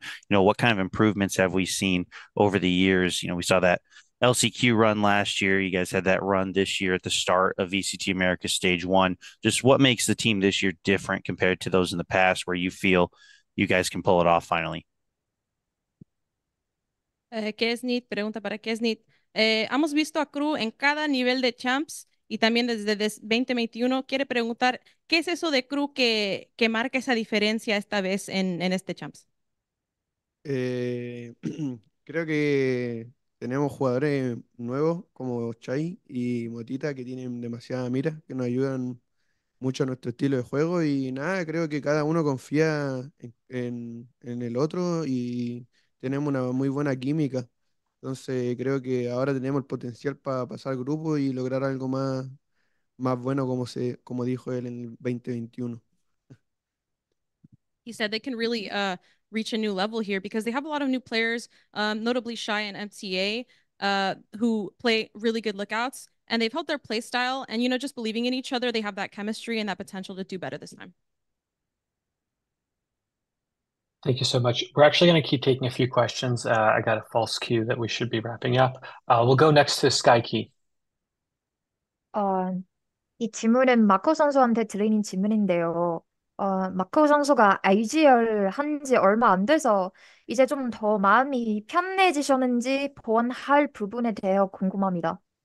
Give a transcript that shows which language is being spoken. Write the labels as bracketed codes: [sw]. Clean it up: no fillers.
[en] You know, what kind of improvements have we seen over the years? You know, we saw that LCQ run last year. You guys had that run this year at the start of VCT America Stage 1. Just what makes the team this year different compared to those in the past where you feel you guys can pull it off finally? [es] Keznit, pregunta para Keznit. Hemos visto a Crew en cada nivel de champs y también desde 2021. Quiere preguntar, ¿qué es eso de Crew que marca esa diferencia esta vez en este champs? Creo que tenemos jugadores nuevos como Chai y Motita que tienen demasiada mira, que nos ayudan mucho a nuestro estilo de juego y nada, creo que cada uno confía en el otro y tenemos una muy buena química. Entonces creo que ahora tenemos el potencial para pasar grupo y lograr algo más bueno como dijo él en el 2021. [en] He said they can really reach a new level here because they have a lot of new players, notably Shy and MTA, who play really good lookouts, and they've held their play style. And, you know, just believing in each other, they have that chemistry and that potential to do better this time. Thank you so much. We're actually going to keep taking a few questions. I got a false cue that we should be wrapping up. We'll go next to Sky Key. [ko] 이 질문은 마코 선수한테 드리는 질문인데요. 마코 선수가 IGL 한 지 얼마 안 돼서 이제 좀 더 마음이 편해지셨는지 보완할 부분에 대해 궁금합니다.